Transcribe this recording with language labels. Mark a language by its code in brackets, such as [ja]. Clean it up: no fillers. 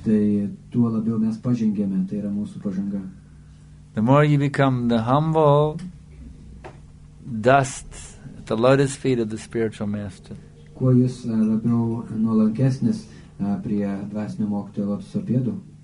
[lt] Tai tuo labiau mes pažengėme, tai yra mūsų pažanga. [en] The more you become the humble dust at the lotus feet of the spiritual master. [lt] Kuo jūs labiau nuolankesnis prie dvasinio mokytojo lotuso pėdų.